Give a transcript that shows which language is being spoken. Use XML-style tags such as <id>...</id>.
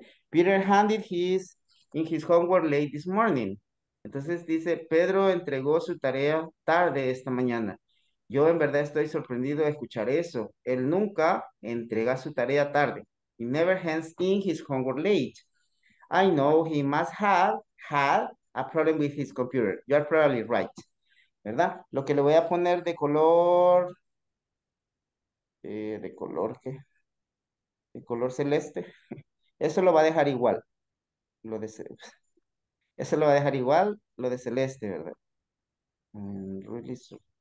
<en>Peter handed his in his homework late this morning.</en> <es>Entonces dice, Pedro entregó su tarea tarde esta mañana. Yo en verdad estoy sorprendido de escuchar eso. Él nunca entrega su tarea tarde.</es> <en>He never hands in his homework late. I know he must have had a problem with his computer. You are probably right. ¿Verdad?</en> <es>Lo que le voy a poner de color... ¿de color qué? ¿De color celeste? Eso lo va a dejar igual. Eso lo va a dejar igual, lo de celeste, ¿verdad?</es> <en>Really soon.</en>